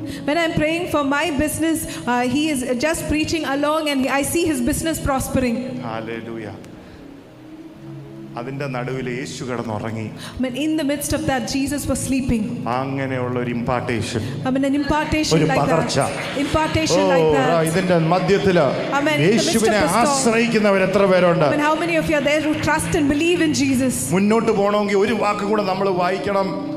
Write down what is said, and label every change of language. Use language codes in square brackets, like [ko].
[en] When I'm praying for my business, he is just preaching along and I see his business prospering. [ml] Hallelujah. അതിന്റെ നടുവിൽ യേശു കിടന്ന് ഉറങ്ങി. [en] In the midst of that Jesus was sleeping. [ml] അങ്ങനെയുള്ള ഒരു impartation. [en] Amen. An impartation [ml] ഒരു [en] like [ml] പകർച്ച. [en] That. Impartation like that. [ml] ഓ ഇതിന്റെ മധ്യത്തില യേശുവിനെ ആശ്രയിക്കുന്നവർ എത്ര പേരുണ്ട്. [en] Amen. How many of you are there who trust and believe in Jesus? [ml] മുന്നോട്ട് പോണമെങ്കിൽ ഒരു വാക്ക് കൂടെ നമ്മൾ വായിക്കണം.